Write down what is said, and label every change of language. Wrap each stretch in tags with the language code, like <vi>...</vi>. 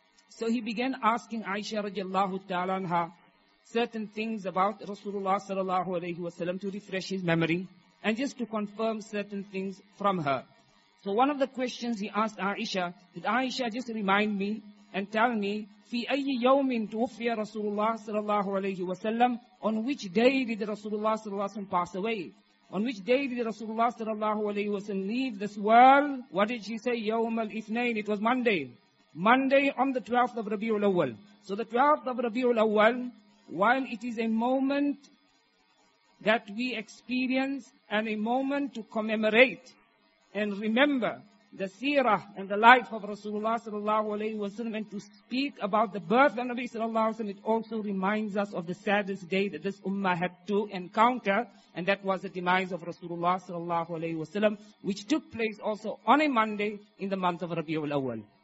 <en>So he began asking Aisha radiallahu ta'ala anha certain things about Rasulullah sallallahu alayhi wa sallam to refresh his memory and just to confirm certain things from her. So one of the questions he asked Aisha, did Aisha just remind me and tell me,</en> <ar>في أي يوم توفي رسول الله صلى الله عليه وسلم,</ar> <en>on which day did</en> <ar>رسول الله صلى الله عليه وسلم</ar> <en>pass away? On which day did</en> <ar>رسول الله صلى الله عليه وسلم</ar> <en>leave this world? What did she say?</en> <ar>يوم الاثنين.</ar> <en>It was Monday. Monday on the 12th of Rabiul Awwal. So the 12th of Rabiul Awwal, while it is a moment that we experience and a moment to commemorate and remember the seerah and the life of Rasulullah sallallahu alayhi wa sallam, and to speak about the birth of Nabi sallallahu alayhi wa sallam, it also reminds us of the saddest day that this ummah had to encounter, and that was the demise of Rasulullah sallallahu alayhi wa sallam, which took place also on a Monday in the month of Rabi'ul Awwal.</en>